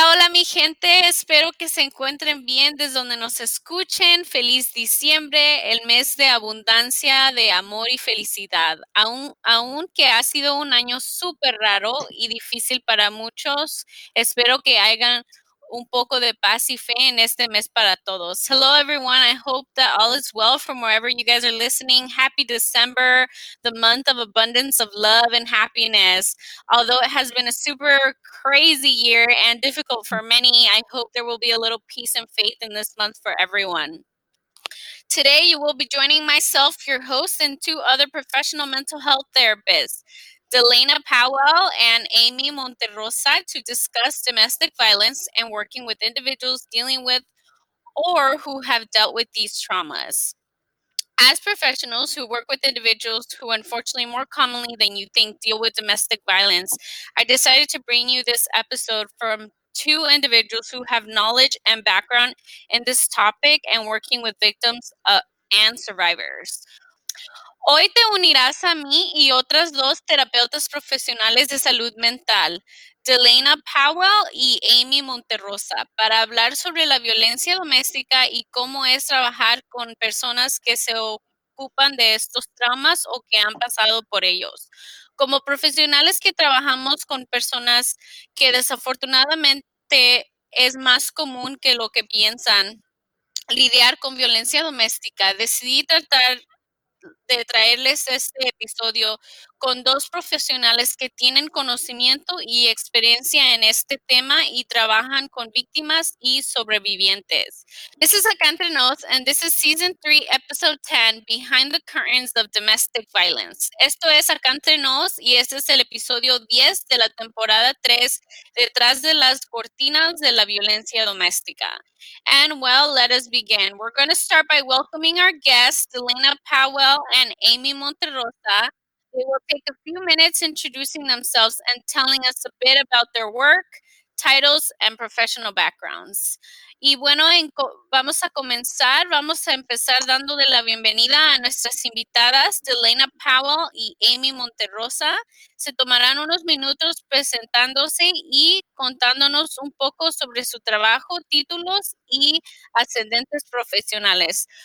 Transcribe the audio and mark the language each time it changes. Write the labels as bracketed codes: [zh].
[es] mi gente, espero que se encuentren bien desde donde nos escuchen. Feliz diciembre, el mes de abundancia, de amor y felicidad. Aún que ha sido un año súper raro y difícil para muchos, espero que hagan un poco de paz y fe en este mes para todos. [en] Hello everyone, I hope that all is well from wherever you guys are listening. Happy December, the month of abundance of love and happiness. Although it has been a super crazy year and difficult for many, I hope there will be a little peace and faith in this month for everyone. Today you will be joining myself, your host, and two other professional mental health therapists, Delaina Powell and Amy Monterrosa, to discuss domestic violence and working with individuals dealing with or who have dealt with these traumas. As professionals who work with individuals who unfortunately more commonly than you think deal with domestic violence, I decided to bring you this episode from two individuals who have knowledge and background in this topic and working with victims and survivors. [es] Hoy te unirás a mí y otras dos terapeutas profesionales de salud mental, Delaina Powell y Amy Monterrosa, para hablar sobre la violencia doméstica y cómo es trabajar con personas que se ocupan de estos traumas o que han pasado por ellos. Como profesionales que trabajamos con personas que desafortunadamente es más común que lo que piensan lidiar con violencia doméstica, decidí tratar de traerles este episodio con dos profesionales que tienen conocimiento y experiencia en este tema y trabajan con víctimas y sobrevivientes. [en] This is Acá Entre Nos, and this is Season 3, Episode 10, Behind the Curtains of Domestic Violence. [es] Esto es Acá Entre Nos, y este es el episodio 10 de la temporada 3, Detrás de las Cortinas de la Violencia Doméstica. [en] And well, let us begin. We're going to start by welcoming our guests, Delaina Powell and Amy Monterrosa. They will take a few minutes introducing themselves and telling us a bit about their work, titles, and professional backgrounds. [es] Y bueno, vamos a empezar dándole la bienvenida a nuestras invitadas, Delaina Powell y Amy Monterrosa. Se tomarán unos minutos presentándose y contándonos un poco sobre su trabajo, títulos y ascendentes profesionales.